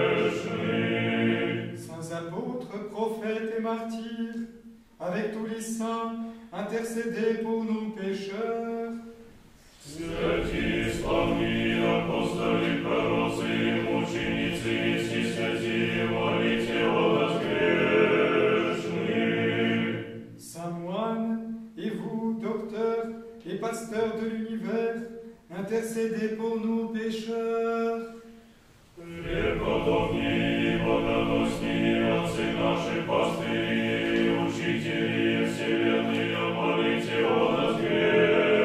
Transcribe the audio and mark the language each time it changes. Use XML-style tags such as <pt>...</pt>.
<fr>Saints apôtres, prophètes et martyrs, avec tous les saints, intercédez pour nous pécheurs.</fr> <cu>Святись помни, апостоли, пророцы и мученицы, Иисусе святи, молите о нас грешных.</cu> <fr>Saint moine, et vous, docteur et pasteur de l'univers, intercédez pour nous pécheurs.</fr> <cu>Преподобни и богоносни, отцы наши, пастыри и учители вселенные, молите о нас грешных.</cu>